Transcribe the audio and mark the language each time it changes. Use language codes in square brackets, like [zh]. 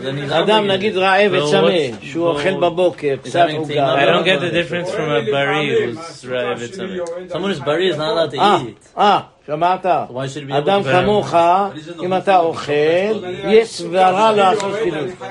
[he] Adam, נגיד רעב וצמא, שהוא אוכל בבוקר, פסק עוגה. [en] I don't get the difference from a bari who's [he] רעב וצמא. [en] Someone who's bari is not allowed to eat. [he] Ah, שמעת? אדם כמוך, אם אתה אוכל, יש סברה לעשות קידוש.